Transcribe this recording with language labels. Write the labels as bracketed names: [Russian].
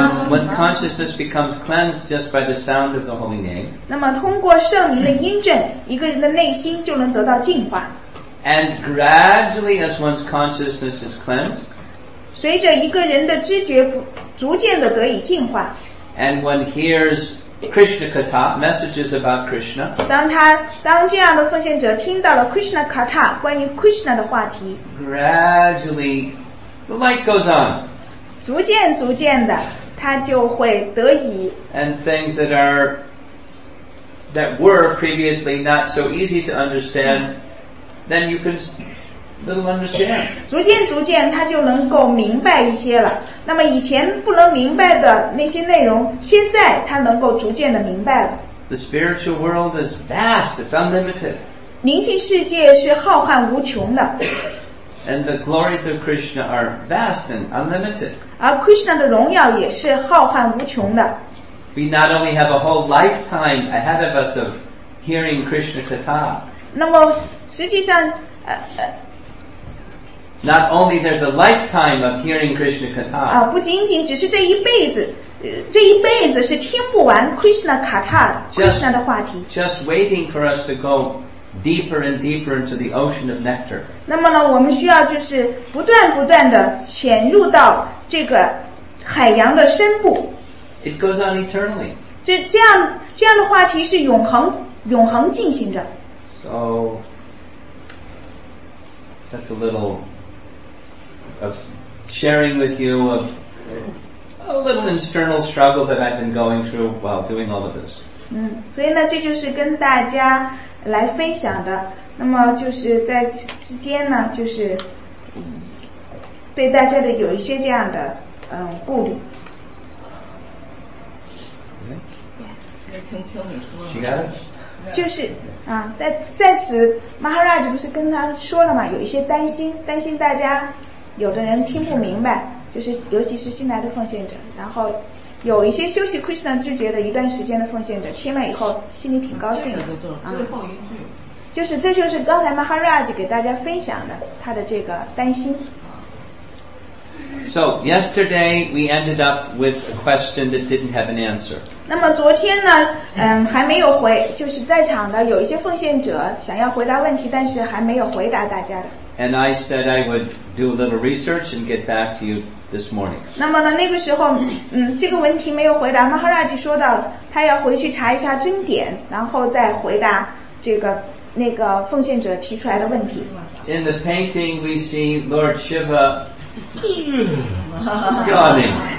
[English] When consciousness becomes cleansed just by the sound of the holy name, [Chinese] 那么通过圣名的音证，一个人的内心就能得到净化。 [English] And gradually, as one's consciousness is cleansed, [Chinese] 随着一个人的知觉逐渐的得以净化 [English] ，and one hears Krishna katha messages about Krishna, [Chinese] 当这样的奉献者听到了 Krishna katha 关于 Krishna 的话题 [English] ，gradually the light goes on. [Chinese] 逐渐的，他就会得以 [English] and things that were previously not so easy to understand. Then you can little understand. [Chinese] 逐渐，他就能够明白一些了。那么以前不能明白的那些内容，现在他能够逐渐的明白了。 [English] The spiritual world is vast; it's unlimited. [Chinese] 灵性世界是浩瀚无穷的。 [English] And the glories of Krishna are vast and unlimited. [Chinese] 而 Krishna 的荣耀也是浩瀚无穷的。 [English] We not only have a whole lifetime ahead of us of hearing Krishna katha. [Chinese] 那么实际上 [English] Not only there's a lifetime of hearing Krishna Katha [Chinese] 啊，不仅仅只是这一辈子是听不完 Krishna Katha Krishna 的话题 [English] Just waiting for us to go deeper and deeper into the ocean of nectar [Chinese] 那么呢我们需要就是不断的潜入到这个海洋的深部 [English] It goes on eternally [Chinese] 这样的话题是永恒进行着 [English] So, that's a little of sharing with you of a little internal struggle that I've been going through while doing all of this. [Chinese] 所以呢，这就是跟大家来分享的。那么就是在之间呢，就是对大家的有一些这样的顾虑。 [English] Okay. [Chinese] 你说。 [English] She got it? [Chinese] 就是啊，在此 ，Maharaj 不是跟他说了嘛？有一些担心大家有的人听不明白，就是尤其是新来的奉献者，然后有一些休息 Krishna 拒绝的一段时间的奉献者听了以后心里挺高兴的、这个、最后一句、就是这就是刚才 Maharaj 给大家分享的他的这个担心。 [English] So yesterday we ended up with a question that didn't have an answer. [Chinese] 那么昨天呢，还没有回，就是在场的有一些奉献者想要回答问题，但是还没有回答大家的。 [English] And I said I would do a little research and get back to you this morning. [Chinese] 那么呢，那个时候，这个问题没有回答，马哈拉吉说到他要回去查一下真典，然后再回答这个那个奉献者提出来的问题。 [English] In the painting, we see Lord Shiva. yawning